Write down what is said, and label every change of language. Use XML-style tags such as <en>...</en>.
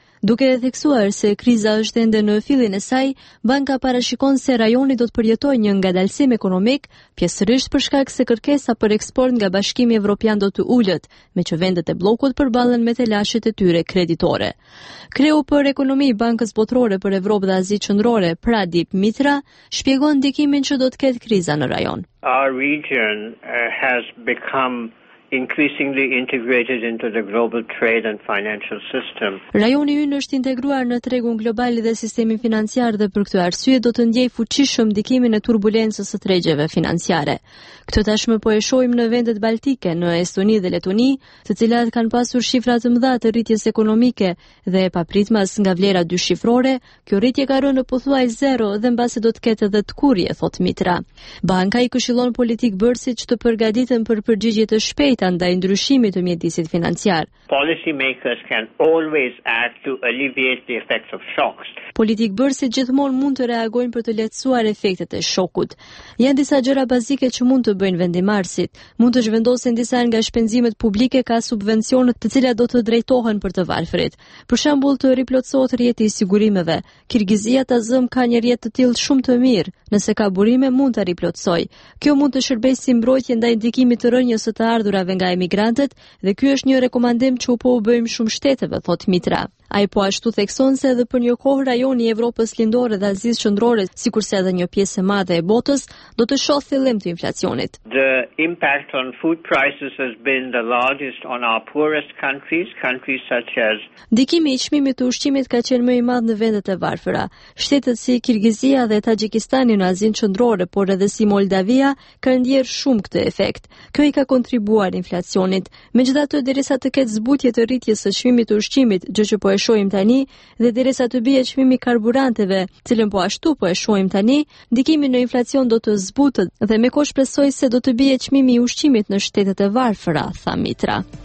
<sq>Duke e theksuar se kriza është ende në fillin e saj, banka parashikon se rajoni do të përjetojë një ngadalësim ekonomik, pjesërisht për shkak se kërkesa për eksport nga Bashkimi Evropian do të ulet, me që vendet e bllokut përballen me telashet e tyre kreditore. Kreu për ekonomi i Bankës Botërore për Evropë dhe Azi Qendrore, Pradip Mitra, shpjegon ndikimin që do të ketë kriza në rajon.</sq> <en>Our region has become increasingly integrated into the global trade and financial system.</en> <sq>Rajoni ynë është integruar në tregun global dhe sistemin financiar dhe për këtë arsye do të ndjejë fuqishëm ndikimin e turbulencës së tregjeve financiare. Këtë tashmë po e shohim në vendet baltike, në Estoni dhe Letoni, të cilat kanë pasur shifra të mëdha të rritjes ekonomike dhe papritmas nga vlera dyshifrore, kjo rritje ka rënë në pothuaj zero dhe mbasi do të ketë edhe të kurje, thot Mitra. Banka i këshillon politikë bërësit që të përgatiten për përgjigje të shpejta ndaj ndryshimit të mjedisit financiar.</sq> <en>Policymakers can always act to alleviate the effects of shocks.</en> <sq>Politikbërësit gjithmonë mund të reagojnë për të lehtësuar efektet e shokut. Janë disa gjëra bazike që mund të bëjnë vendimarrësit. Mund të zhvendosin disa nga shpenzimet publike ka subvencionet të cilat do të drejtohen për të varfrit. Për shembull, të riplotësohet rrjeti i sigurimeve. Kirgizia ta zëm ka një rrjet të tillë shumë të mirë. Nëse ka burime mund ta riplotësoj. Kjo mund të shërbejë si mbrojtje ndaj ndikimit të rënjes së ardhurave nga emigrantët dhe ky është një rekomandim që po u bëjmë shumë shteteve, thot Mitra. Ai po ashtu thekson se edhe për një kohë rajoni i Evropës Lindore dhe Azisë Qendrore, sikurse edhe një pjesë e madhe e botës, do të shohë fillim të inflacionit.</sq> <en>The impact on food prices has been the largest on our poorest countries, countries such as.</en> <sq>Ndikimi i çmimit të ushqimit ka qenë më i madh në vendet e varfëra. Shtetet si Kirgizia dhe Tadjikistani në Azinë Qendrore, por edhe si Moldavia, kanë ndjerë shumë këtë efekt. Kjo i ka kontribuar inflacionit. Megjithatë, derisa të ketë zbutje të rritjes së çmimit të ushqimit, gjë që po e shohim tani, dhe derisa të bie çmimi karburanteve, cilën po ashtu po e shohim tani, ndikimi në inflacion do të zbutet dhe me kohë shpresoj se do të bie çmimi i ushqimit në shtetet e varfëra, tha Mitra.</sq>